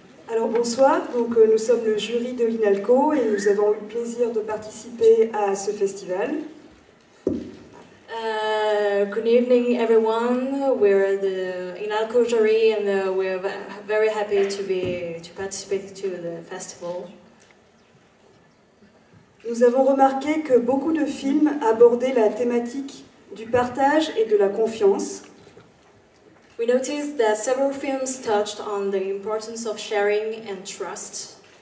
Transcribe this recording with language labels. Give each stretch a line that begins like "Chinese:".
French: Alors bonsoir, donc, nous sommes le jury de l'INALCO et nous avons eu le plaisir de participer à ce festival.
English: Good evening everyone, we're the INALCO jury and we're very happy to participate to the festival.
French: Nous avons remarqué que beaucoup de films abordaient la thématique du partage et de la confiance.
English: We noticed that several films touched on the importance of sharing and trust.